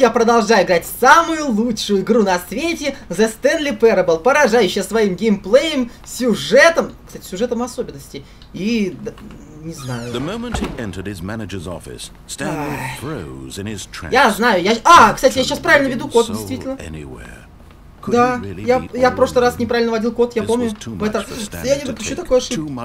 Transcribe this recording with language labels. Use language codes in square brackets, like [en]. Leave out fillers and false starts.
[ru] Я продолжаю играть в самую лучшую игру на свете The Stanley Parable, поражающая своим геймплеем, сюжетом, кстати, сюжетом особенностей и... не знаю. [en] The moment he entered his manager's office, Stanley froze in his tracks. [ru] Я знаю, я... А, кстати, я сейчас правильно веду код, действительно. Да, я в прошлый раз неправильно вводил код, я помню. Я не допущу такой ошибки.